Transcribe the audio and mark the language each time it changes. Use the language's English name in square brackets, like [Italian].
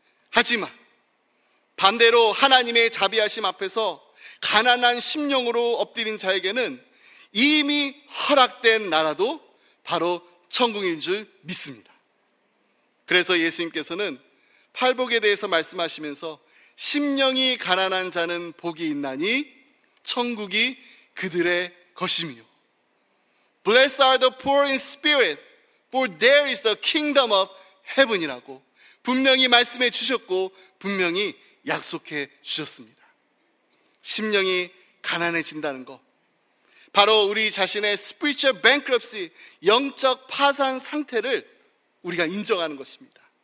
[Korean] 하지만 반대로 하나님의 자비하심 앞에서 가난한 심령으로 엎드린 자에게는 이미 허락된 나라도 바로 천국인 줄 믿습니다. 그래서 예수님께서는 팔복에 대해서 말씀하시면서 심령이 가난한 자는 복이 있나니 천국이 그들의 것임이요. [English] Blessed are the poor in spirit, for there is the kingdom of heaven [Korean] 이라고 분명히 말씀해 주셨고 분명히 약속해 주셨습니다. 심령이 가난해진다는 것, 바로 우리 자신의 [English] spiritual bankruptcy, [Korean] 영적 파산 상태를 우리가 인정하는 것입니다.